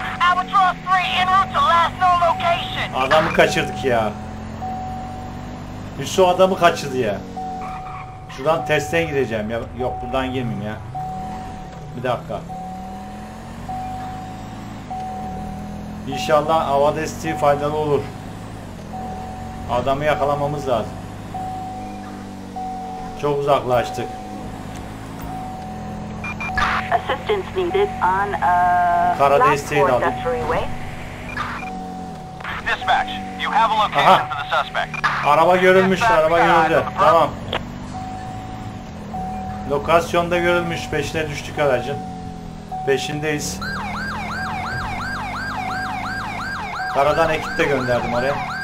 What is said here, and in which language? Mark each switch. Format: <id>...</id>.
<en>Albatross 3 en route to last known location.</en> <tr>Adamı kaçırdık ya. Hüsnü adamı kaçırdı ya. Şuradan testten gideceğim. Yok buradan girmeyeyim ya. Bir dakika. İnşallah hava desteği faydalı olur. Adamı yakalamamız lazım. Çok uzaklaştık.</tr> <en>Assistance needed on</en> <tr>kara desteği de aldık.</tr> <en>Dispatch, you have a location aha for the suspect.</en> <tr>Araba görülmüş, dispatch, araba görüldü. Tamam. Lokasyonda görülmüş, peşine düştük aracın. Peşindeyiz. Karadan ekip de gönderdim oraya.</tr>